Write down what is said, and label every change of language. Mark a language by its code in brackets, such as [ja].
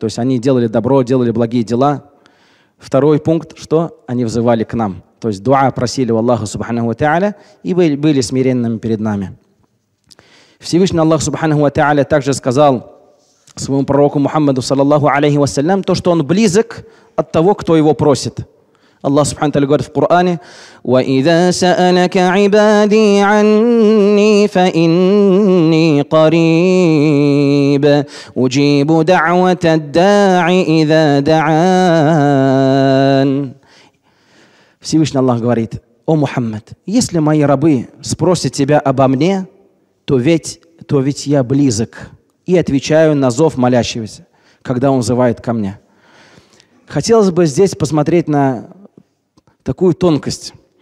[ru] То есть, они делали добро, делали благие дела. Второй пункт, что они взывали к нам. То есть дуа просили у Аллаха субханаху ва та'аля и были смиренными перед нами. Всевышний Аллах субханаху ва та'аля также сказал своему пророку Мухаммаду саллаллаху алейхи ва саллям то, что он близок от того, кто его просит. Аллах субхану тааля говорит в Коране: [ar] وَإِذَا سَأَلَكَ عِبَادِي عَنِّي فَإِنِّي قَرِيبٌ أُجِيبُ دَعْوَةَ الدَّاعِ إِذَا دَعَانِ. [ru] Всевышний Аллах говорит: «О Мухаммад, если мои рабы спросят тебя обо мне, то ведь я близок и отвечаю на зов молящегося, когда он взывает ко мне». Хотелось бы здесь посмотреть на такую тонкость.